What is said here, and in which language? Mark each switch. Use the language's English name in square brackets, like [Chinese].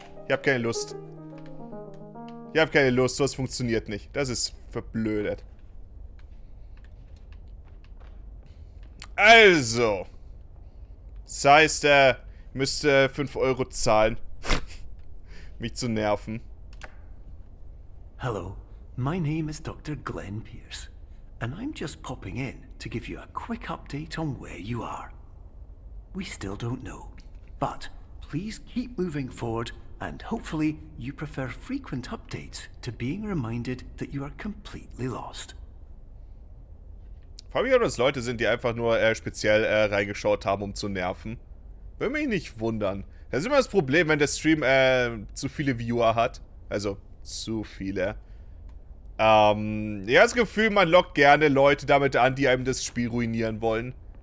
[German] Ich hab keine Lust, sowas funktioniert nicht. Das ist verblödet. Also. Das heißt, ich müsste 5 Euro zahlen. mich zu nerven. [English] Hello, my name is Dr. Glenn Pierce, and I'm just popping in to give you a quick update on where you are. We still don't know, but please keep moving forward, and hopefully you prefer frequent updates to being reminded that you are completely lost. [German] Fabio, dass Leute sind, die einfach nur speziell reingeschaut haben, um zu nerven. Würde mich nicht wundern. Das ist immer das Problem, wenn der Stream zu viele Viewer hat. Also, zu viele. Ich habe das Gefühl, man lockt gerne Leute damit an, die einem das Spiel ruinieren wollen.